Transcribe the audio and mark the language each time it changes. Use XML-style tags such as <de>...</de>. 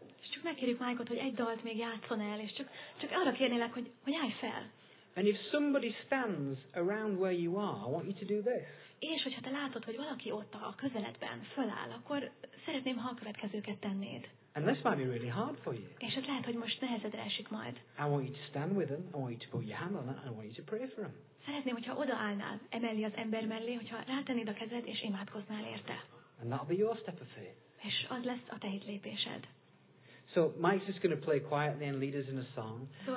<hu>És csak megkérjük Mike-ot, hogy egy dalt még játszon el, és csak arra kérnélek, hogy állj fel.</hu> <en>And if somebody stands around where you are, I want you to do this.</en> <hu>És hogyha te látod, hogy valaki ott a közeledben föláll, akkor szeretném, ha a következőket tennéd.</hu> <en>And this might be really hard for you.</en> <hu>És ez lehet, hogy most nehezedre esik majd.</hu> <en>I want you to stand with them, I want you to put your hand on them, and I want you to pray for them.</en> <hu>Szeretném, hogyha odaállnál emellé az ember mellé, hogyha rátennéd a kezed, és imádkoznál érte.</hu> <en>And that'll be your step of faith.</en> <hu>És az lesz a te hitlépésed.</hu> <en>So Mike's just going to play quietly and lead us in a song.</en>